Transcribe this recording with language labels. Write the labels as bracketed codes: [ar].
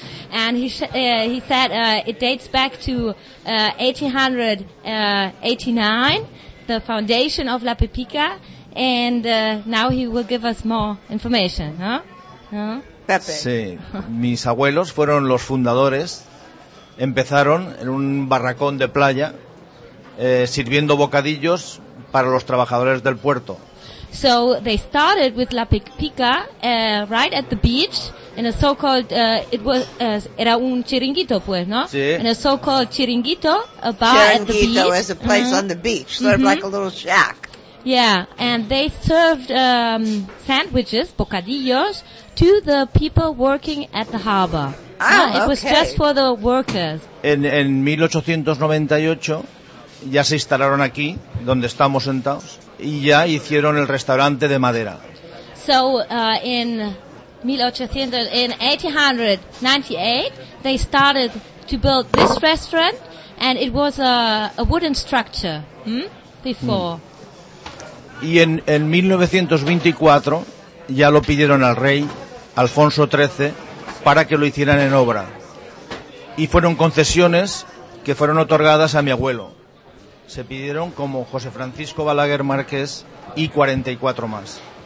[en] And he said it dates back to 1889, the foundation of La Pepica, and now he will give us more information. [es] Sí, mis abuelos fueron los fundadores. Empezaron en un barracón de playa sirviendo bocadillos para los trabajadores del puerto. [en] So they started with La Pepica right at the beach in a so-called [es] era un chiringuito pues, ¿no? Sí. [en] In a so-called chiringuito, a bar at the beach. Chiringuito is a place on the beach, sort of like a little shack. Yeah, and they served sandwiches, bocadillos, to the people working at the harbor. It was just for the workers. [es] En 1898 ya se instalaron aquí, donde estamos sentados, y ya hicieron el restaurante de madera. [en] So in 1898 they started to build this restaurant, and it was a wooden structure before. [es] Y en 1924 ya lo pidieron al rey Alfonso XIII para que lo hicieran en obra. Y fueron concesiones que fueron otorgadas a mi abuelo. Se pidieron como José Francisco Balaguer Márquez y 44 más.